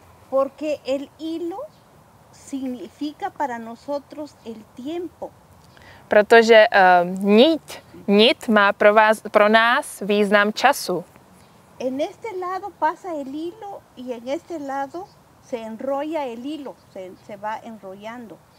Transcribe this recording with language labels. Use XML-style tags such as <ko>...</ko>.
<es>Porque el hilo significa para nosotros el tiempo.</es> <cs>Protože nit má pro nás význam času.</cs> <es>En este lado pasa el hilo y en este lado se enrolla el hilo, se va enrollando.</es>